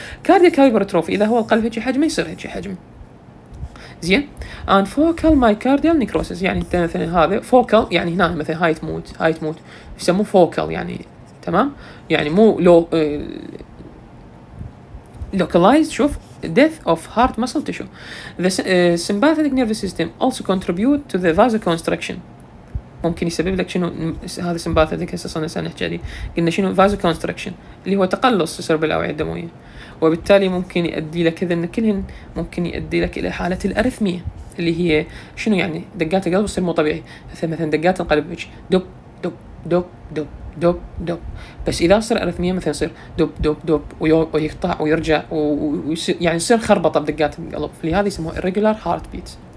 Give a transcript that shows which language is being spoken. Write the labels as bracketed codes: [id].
[ar] كارديك هايبرتروفي اذا هو القلب هيك حجمه يصير هيك حجمه. زين ان فوكال مايكارديال نيكروسيس يعني انت مثلا هذا فوكال يعني هنا مثلا هاي تموت هاي تموت يسموه فوكال يعني تمام يعني مو لوكالايز. شوف [en] death of heart muscle tissue the sympathetic nervous system also contribute to the vasoconstriction. [ar] ممكن يسبب لك شنو هذا sympathetic هسه نحكي عليه قلنا شنو vasoconstriction اللي هو تقلص يصير بالاوعيه الدمويه وبالتالي ممكن يؤدي لك كذا ان كلهن ممكن يؤدي لك الى حاله الارثميه اللي هي شنو يعني دقات القلب تصير مو طبيعي مثلا دقات القلب دب دب دب دب دب دب بس اذا صار ارثميه مثلا يصير دب دب دب ويقطع ويرجع ويعني يصير خربطه بدقات القلب لهذا يسموه irregular heartbeat.